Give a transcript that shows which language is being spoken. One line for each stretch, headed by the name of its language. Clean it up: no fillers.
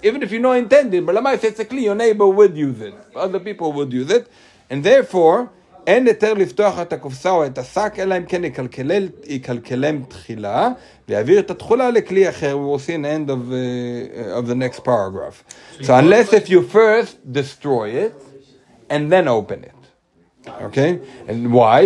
English: Even if you're not intending, but if it's a kli, your neighbor would use it. Other people would use it. And therefore,
Hebrew: אין יותר לפתוח את הקופסא או את השק, אלא אם כן יקלקלם תחילה, ויעביר את התחולה לכלי אחר,
English: we'll see an end of the next paragraph. So unless if you first destroy it, and then open it. Okay? And why?